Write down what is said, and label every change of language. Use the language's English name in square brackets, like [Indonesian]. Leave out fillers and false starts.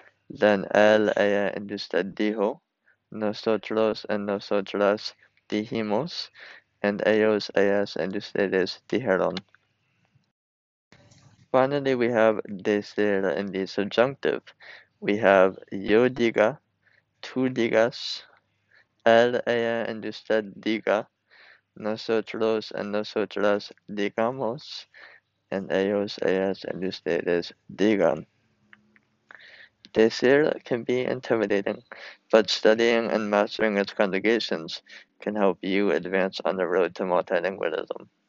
[English] Then [Spanish] él, ella, and usted dijo. Nosotros and nosotras dijimos. [English] And [Spanish] ellos, ellas, and ustedes dijeron. [English] Finally, we have decir in the subjunctive. We have [Spanish] yo diga, tú digas, él, ella, y usted diga, nosotros y nosotras digamos, y ellos, ellas, y ustedes digan. [English] Decir can be intimidating, but studying and mastering its conjugations can help you advance on the road to multilingualism.